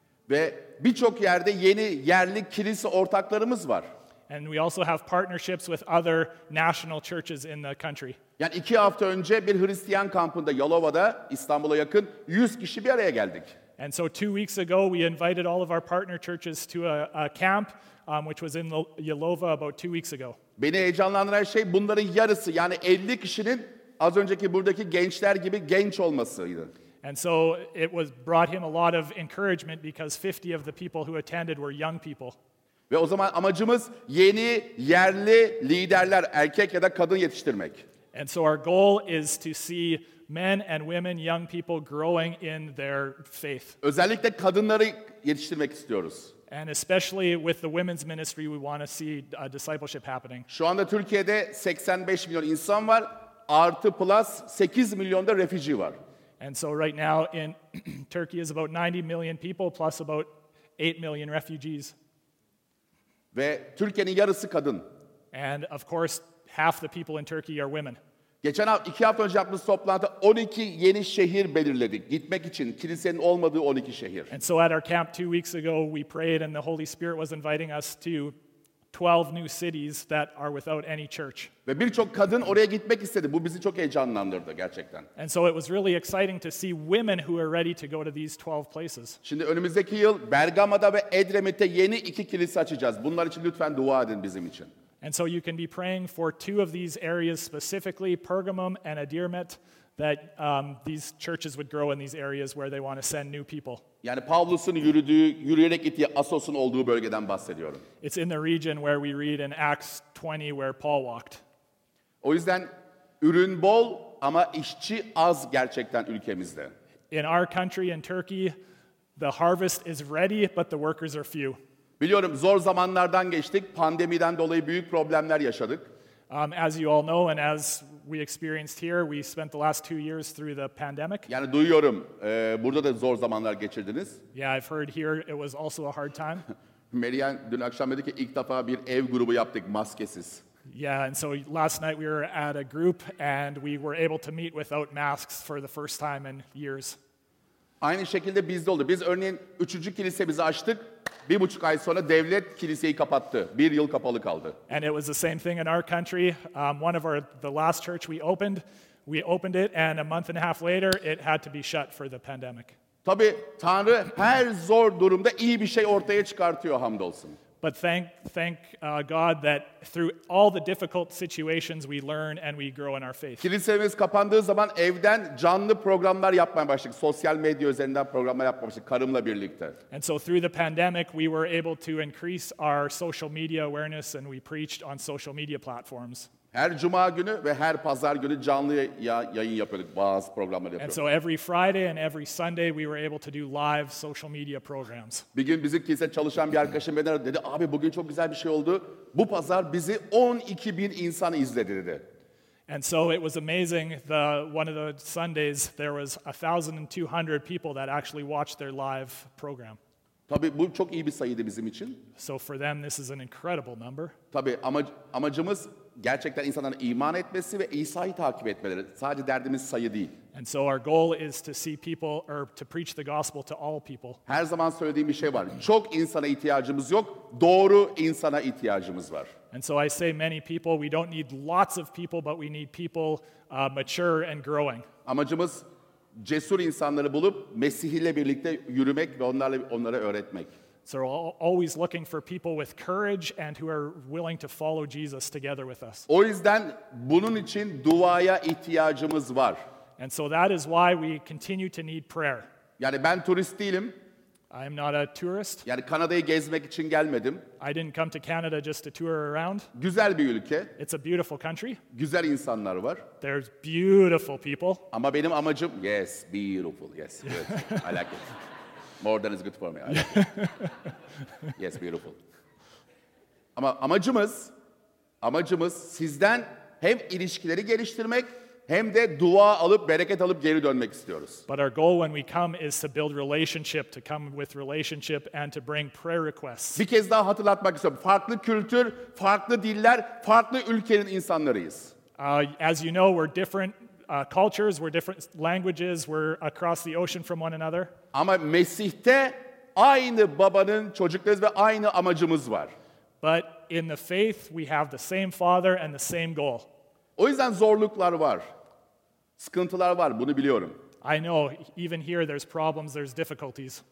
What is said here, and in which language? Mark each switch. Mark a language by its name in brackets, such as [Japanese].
[Turkish] Ve birçok yerde yeni yerli kilise ortaklarımız var. [English] And we also have partnerships with other national churches in the country. [Turkish] Yani 2 hafta önce bir Hristiyan kampında Yalova'da İstanbul'a yakın 100 kişi bir araya geldik. [English] And so 2 weeks ago we invited all of our partner churches to a camp which was in Yalova about 2 weeks ago. [Turkish] Beni heyecanlandıran şey bunların yarısı yani 50 kişinin az önceki buradaki gençler gibi genç olmasıydı. [English] And so it was brought him a lot of encouragement because 50 of the people who attended were young people. [Turkish] Ve o zaman amacımız yeni yerli liderler, erkek ya da kadın yetiştirmek. [English] And so our goal is to see men and women, young people growing in their faith. [Turkish] Özellikle kadınları yetiştirmek istiyoruz. [English] And especially with the women's ministry we want to see a discipleship happening. [Turkish] Şu anda Türkiye'de 85 milyon insan var, artı plus 8 milyon da refüji var. [English] And so right now in Turkey is about 90 million people plus about 8 million refugees. [Turkish] Ve Türkiye'nin yarısı kadın. [English] And of course half the people in Turkey are women. [Turkish] Geçen hafta 2 hafta önce yaptığımız toplantıda 12 yeni şehir belirledik gitmek için kilisenin olmadığı 12 şehir. [English] And so at our camp 2 weeks ago we prayed and the Holy Spirit was inviting us to 12 new cities that are without any church. [Turkish] Ve birçok kadın oraya gitmek istedi. Bu bizi çok heyecanlandırdı gerçekten. [English] And so it was really exciting to see women who are ready to go to these 12 places. [Turkish] Şimdi önümüzdeki yıl Bergama'da ve Edremit'te yeni 2 kilise açacağız. Bunlar için lütfen dua edin bizim için. [English] And so you can be praying for 2 of these areas specifically, Pergamum and Edremit, that these churches would grow in these areas where they want to send new people. [Turkish] Yani Pavlus'un yürüyerek gittiği Assos'un olduğu bölgeden bahsediyorum. [English] It's in the region where we read in Acts 20 where Paul walked. [Turkish] O yüzden ürün bol ama işçi az gerçekten ülkemizde. [English] In our country, in Turkey, the harvest is ready but the workers are few. [Turkish] Biliyorum zor zamanlardan geçtik. Pandemiden dolayı büyük problemler yaşadık. [English] As you all know and as we experienced here, we spent the last 2 years through the pandemic. [Turkish] Yani duyuyorum, burada da zor zamanlar geçirdiniz. [English] Yeah, I've heard here it was also a hard time. [Turkish] Marianne dün akşam dedi ki ilk defa bir ev grubu yaptık maskesiz. [English] Yeah, and so last night we were at a group and we were able to meet without masks for the first time in years. [Turkish] Aynı şekilde bizde oldu. Biz örneğin 3. kilisemizi açtık. 1,5 ay sonra devlet kiliseyi kapattı. 1 yıl kapalı kaldı. [English] And it was the same thing in our country. One of the last church we opened it and a month and a half later it had to be shut for the pandemic. [Turkish] Tabii Tanrı her zor durumda iyi bir şey ortaya çıkartıyor hamdolsun. [English] But thank God that through all the difficult situations we learn and we grow in our faith. [Turkish] Kilisemiz kapandığı zaman evden canlı programlar yapmaya başladık. Sosyal medya üzerinden programlar yapmaya başladık karımla birlikte. [English] And so through the pandemic we were able to increase our social media awareness and we preached on social media platforms. [Turkish] Her cuma günü ve her pazar günü canlı yayın yapıyorduk, bazı programları yapıyorduk. [English] And so every Friday and every Sunday we were able to do live social media programs. [Turkish] Bir gün bizim kilise çalışan bir arkadaşım beni aradı, dedi abi bugün çok güzel bir şey oldu. Bu pazar bizi 12 bin insan izledi dedi. [English] And so it was amazing, one of the Sundays there was 1,200 people that actually watched their live program. [Turkish] Tabii bu çok iyi bir sayıydı bizim için. [English] So for them this is an incredible number. [Turkish] Tabii amacımız gerçekten insanların iman etmesi ve İsa'yı takip etmeleri sadece derdimiz sayı değil. [English] And so our goal is to see people or to preach the gospel to all people. [Turkish] Her zaman söylediğim bir şey var. Çok insana ihtiyacımız yok. Doğru insana ihtiyacımız var. [English] And so I say many people, we don't need lots of people, but we need people mature and growing. [Turkish] Amacımız cesur insanları bulup Mesih'le birlikte yürümek ve onlara öğretmek. [English] So we're always looking for people with courage and who are willing to follow Jesus together with us. [Turkish] O yüzden bunun için duaya ihtiyacımız var. [English] And so that is why we continue to need prayer. [Turkish] Yani ben turist değilim. [English] I am not a tourist. [Turkish] Yani Kanada'yı gezmek için gelmedim. [English] I didn't come to Canada just to tour around. [Turkish] Güzel bir ülke. [English] It's a beautiful country. [Turkish] Güzel insanlar var. [English] There's beautiful people. [Turkish] Ama benim amacım, [English] yes, beautiful, yes, good. I like it. More than is good for me. I like it. Yes, beautiful. [Turkish] Ama amacımız sizden hem ilişkileri geliştirmek hem de dua alıp bereket alıp geri dönmek istiyoruz. [English] But our goal when we come is to build relationship, to come with relationship and to bring prayer requests. [Turkish] Bir kez daha hatırlatmak istiyorum. Farklı kültür, farklı diller, farklı ülkenin insanlarıyız. [English] As you know, we're different cultures, we're different languages, we're across the ocean from one another. [Turkish] Ama Mesih'te aynı babanın çocuklarız ve aynı amacımız var. [English] But in the faith we have the same father and the same goal. [Turkish] O yüzden zorluklar var. Sıkıntılar var, bunu biliyorum. [English] I know, even here there's problems, there's difficulties.